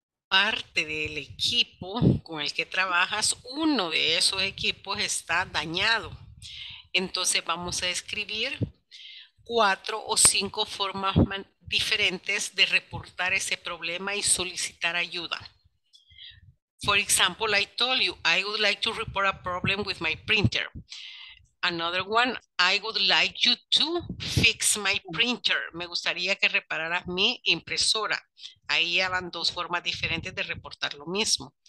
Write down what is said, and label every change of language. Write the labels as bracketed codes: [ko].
[es] Parte del equipo con el que trabajas, uno de esos equipos está dañado. Entonces vamos a escribir 4 o 5 formas diferentes de reportar ese problema y solicitar ayuda. [en] For example, I told you, I would like to report a problem with my printer. Another one, I would like you to fix my printer. [es] Me gustaría que repararas mi impresora. Ahí ya van dos formas diferentes de reportar lo mismo.